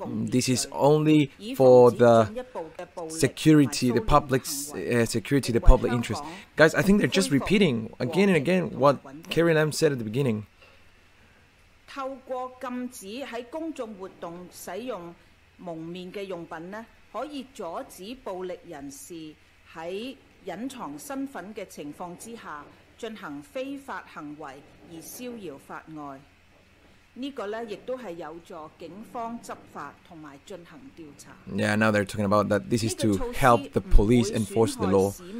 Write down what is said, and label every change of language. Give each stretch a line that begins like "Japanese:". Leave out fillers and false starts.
English: This is only for the security, the public's security, the public interest. Guys, I think they're just repeating again and again what Carrie Lam said at the beginning.
Cantonese: 透過禁止在公眾活動使用蒙面的用品呢，可以阻止暴力人士在隱藏身份的情況之下進行非法行為而逍遙法外，這個呢亦都是有助警方執法和進行調查。
English: Yeah, now they're talking about that this is to help the police enforce the law.